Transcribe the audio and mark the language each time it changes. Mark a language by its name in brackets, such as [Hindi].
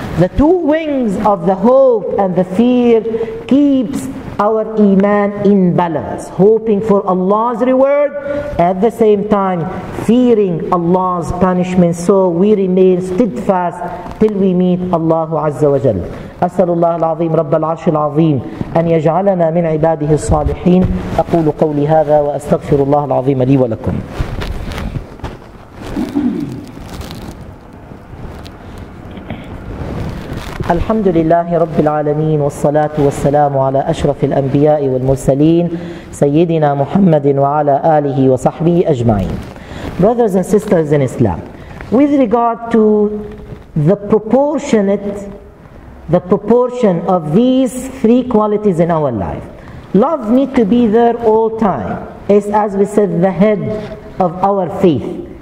[English] The two wings of the hope and the fear keeps our iman in balance, hoping for Allah's reward, at the same time fearing Allah's punishment, so we remain steadfast till we meet Allah Azza wa Jalla. [Arabic] أسأل الله العظيم رب العرش العظيم أن يجعلنا من عباده الصالحين أقول قولي هذا وأستغفر الله العظيم لي ولكم. الحمد لله رب العالمين والصلاة والسلام على أشرف الأنبياء والمرسلين سيدنا محمد وعلى آله وصحبه أجمعين. [English] Brothers and sisters in Islam, with regard to the proportion of these three qualities in our life, love needs to be there all time. It's, as we said, the head of our faith.